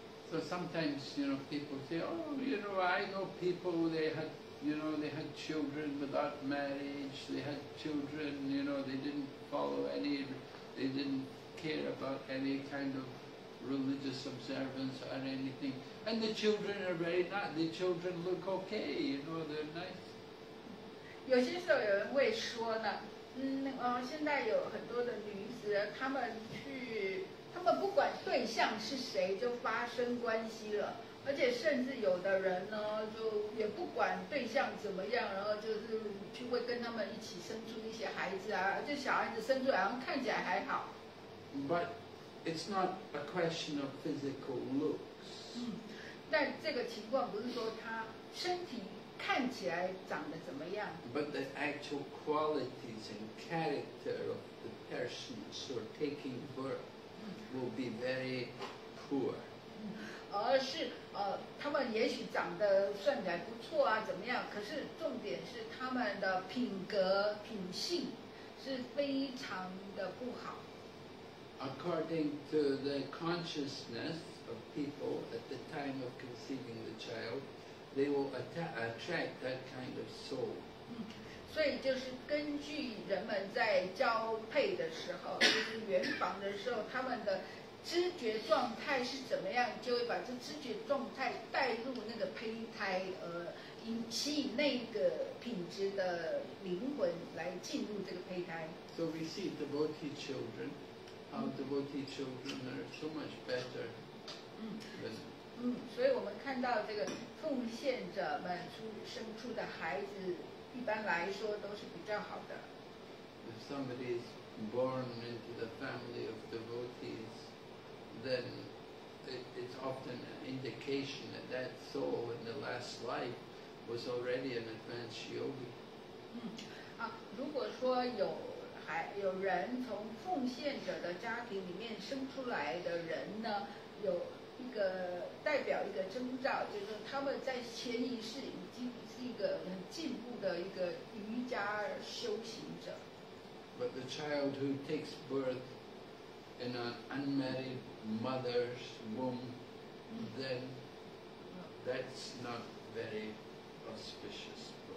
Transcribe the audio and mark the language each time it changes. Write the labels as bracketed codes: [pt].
[en] So sometimes you know people say, oh, you know, I know people they had. You know, they had children without marriage, they had children, you know, they didn't follow any, they didn't care about any kind of religious observance or anything. And the children are very nice, the children look okay, you know, they're nice. [zh] 有些时候有人会说呢，现在有很多的女子，她们不管对象是谁就发生关系了。而且甚至有的人呢，就也不管对象怎么样，然后就是就会跟他们一起生出一些孩子啊，就小孩子生出来，然后看起来还好。 [en] But it's not a question of physical looks. [zh] 但这个情况不是说他身体看起来长得怎么样。 [en] But the actual qualities and character of the persons who are taking birth will be very poor. [zh] 而是他们也许长得算起来不错啊，怎么样？可是重点是他们的品格品性是非常的不好。 [en] According to the consciousness of people at the time of conceiving the child, they will attract that kind of soul. [zh] 所以就是根据人们在交配的时候，就是圆房的时候，他们的。知觉状态是怎么样，就会把这知觉状态带入那个胚胎，引起那个品质的灵魂来进入这个胚胎。 [en] So we see devotee children, how devotee children are so much better. [zh] 所以我们看到这个奉献者们生出的孩子，一般来说都是比较好的。 [en] If somebody is born into the family of devotees. Then it's often an indication that that soul in the last life was already an advanced yogi. [zh] 如果说有人从奉献者的家庭里面生出来的人呢，有一个代表一个征兆，就是他们在前一世已经是一个很进步的一个瑜伽修行者。 [en] But the child who takes birth. In an unmarried mother's womb, then that's not very auspicious.